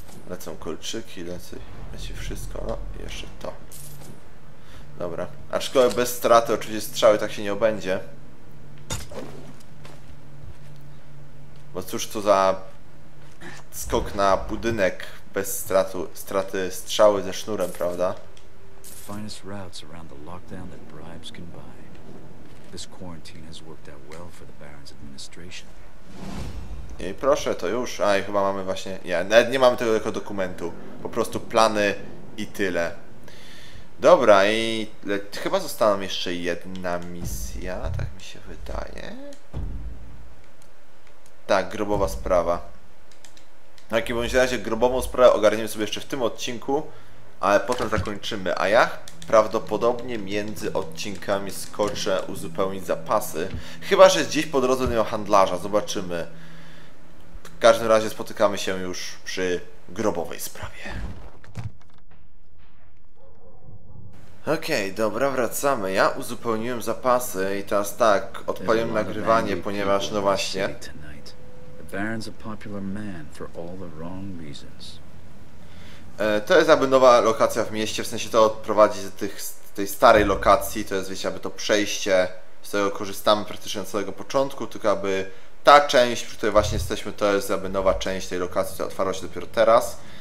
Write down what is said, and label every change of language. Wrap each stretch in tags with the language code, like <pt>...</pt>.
<pl>Lecą kolczyki, leci wszystko, no i jeszcze to. Dobra, aczkolwiek bez straty oczywiście strzały tak się nie obędzie. Bo cóż to za skok na budynek bez straty strzały ze sznurem, prawda?</pl> <en>Finest routes around the lockdown that bribes can buy. This quarantine has worked out well for the Baron's administration.</en> <pl>I proszę, to już. A i chyba mamy właśnie. Nie, nawet nie mamy tego jako dokumentu. Po prostu plany i tyle. Dobra, i chyba została jeszcze jedna misja, tak mi się wydaje. Tak, grobowa sprawa. W takim bądź razie grobową sprawę ogarniemy sobie jeszcze w tym odcinku, ale potem zakończymy. A ja prawdopodobnie między odcinkami skoczę uzupełnić zapasy. Chyba że gdzieś po drodze nie ma handlarza, zobaczymy. W każdym razie spotykamy się już przy grobowej sprawie. Okej, okay, dobra, wracamy. Ja uzupełniłem zapasy i teraz tak, odpaliłem nagrywanie, ponieważ no właśnie.</pl> <en>Baron's a popular man for all the wrong reasons.</en> <pl>To jest aby nowa lokacja w mieście, w sensie to odprowadzi z tej starej lokacji, to jest wiecie, aby to przejście, z tego korzystamy praktycznie od całego początku, tylko aby ta część, przy której właśnie jesteśmy, to jest aby nowa część tej lokacji, która otwarła się dopiero teraz.</pl>